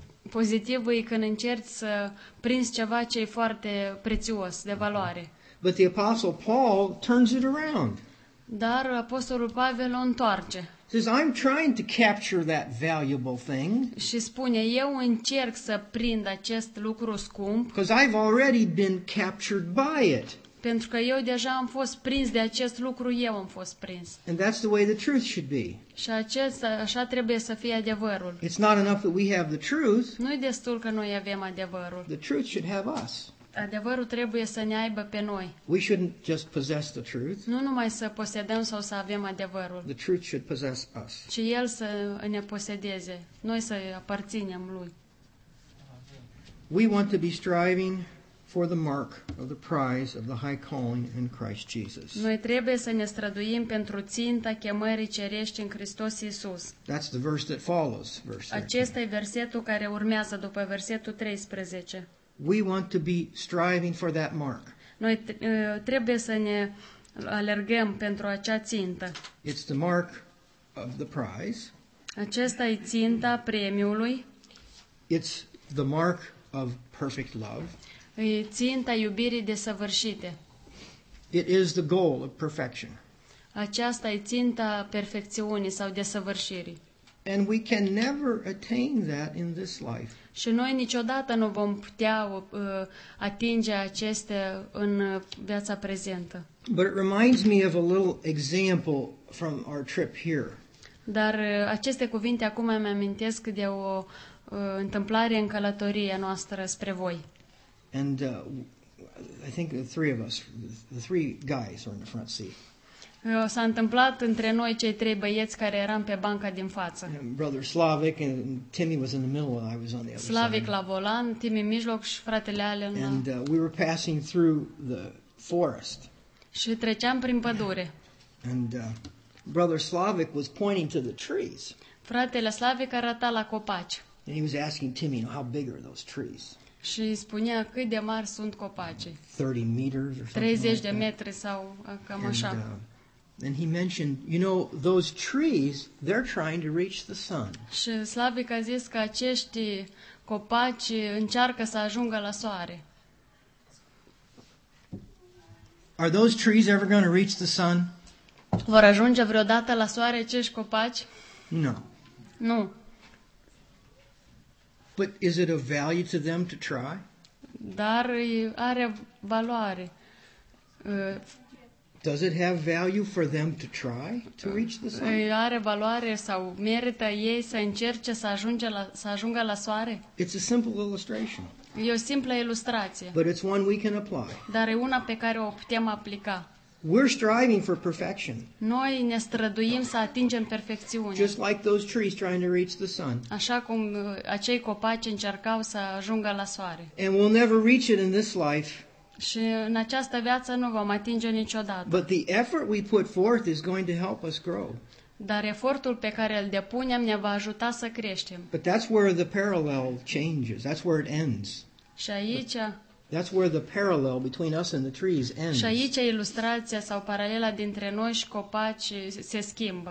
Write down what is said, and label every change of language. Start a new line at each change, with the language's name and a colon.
Romanian: Pozitiv e când încerci să prinzi ceva ce e foarte prețios, de valoare.
English: But the Apostle Paul turns it around.
Romanian: Dar apostolul Pavel o întoarce.
English: Says I'm trying to capture that valuable thing.
Romanian: Și spune, eu încerc să prind acest lucru scump.
English: Because I've already been captured by it.
Romanian: Pentru că eu deja am fost prins de acest lucru, eu am fost prins.
English: And that's the way the truth should be.
Romanian: Și așa trebuie să fie adevărul.
English: It's not enough that we have the truth.
Romanian: Nu e destul că noi avem adevărul.
English: The truth should have us.
Romanian: Adevărul trebuie să ne aibă pe noi.
English: We shouldn't just possess the truth.
Romanian: Nu numai să posedăm sau să avem adevărul.
English: The truth should possess us.
Romanian: Ci el să ne posedeze, noi să aparținem lui.
English: We want to be striving for the mark of the prize of the high calling in Christ Jesus.
Romanian: Noi trebuie să ne străduim pentru ținta chemării cerești în Hristos Iisus.
English: That's the verse that follows, verse 13.
Romanian: Acesta e versetul care urmează după versetul 13.
English: We want to be striving for that mark.
Romanian: Noi trebuie să ne alergăm pentru acea țintă.
English: It's the mark of the prize.
Romanian: Acesta e ținta premiului.
English: It's the mark of perfect love.
Romanian: E ținta iubirii desăvârșite.
English: It is the goal of perfection.
Romanian: Aceasta e ținta perfecțiunii sau desăvârșirii.
English: And we can never attain that in this life.
Romanian: Și noi niciodată nu vom putea atinge aceste în viața prezentă.
English: But it reminds me of a little example from our trip here.
Romanian: Dar aceste cuvinte acum îmi amintesc de o întâmplare în călătoria noastră spre voi.
English: And I think the three of us, the three guys are in the front seat.
Romanian: S-a întâmplat între noi cei trei băieți care eram pe banca din față.
English: Brother Slavic and Timmy was in the middle and I was on the other Slavic side.
Romanian: La volan, Timmy în mijloc și fratele Alan.
English: And we were passing through the forest.
Romanian: Și treceam prin pădure.
English: And Brother Slavic was pointing to the trees.
Romanian: Fratele Slavic arăta la copaci.
English: And he was asking Timmy, how big are those trees?
Romanian: Și spunea cât de mari sunt copacii.
English: 30 meters or something.
Romanian: 30 de
English: like
Romanian: metri sau cam așa.
English: And he mentioned, you know, those trees, they're trying to reach the sun.
Romanian: Și Slavic a zis că acești copaci încearcă să ajungă la soare.
English: Are those trees ever going to reach the sun?
Romanian: Vor ajunge vreodată la soare acești copaci?
English: No.
Romanian: Nu.
English: But is it of value to them to try?
Romanian: Dar are valoare.
English: Does it have value for them to try to reach the sun?
Romanian: Are valoare sau merită ei să încerce să ajungă la soare?
English: It's a simple illustration.
Romanian: E o simplă ilustrație.
English: But it's one we can apply.
Romanian: Dar e una pe care o putem aplica.
English: We're striving for perfection.
Romanian: Noi ne străduim să atingem perfecțiunea.
English: Just like those trees trying to reach the sun.
Romanian: Așa cum acei copaci încercau să ajungă la soare.
English: And we'll never reach it in this life.
Romanian: Și în această viață nu vom atinge niciodată.
English: But the effort we put forth is going to help us grow.
Romanian: Dar efortul pe care îl depunem ne va ajuta să creștem.
English: But that's where the parallel changes. That's where it ends.
Romanian: Și aici.
English: That's where the parallel between us and the trees ends.
Romanian: Și aici ilustrația sau paralela dintre noi și copaci se schimbă.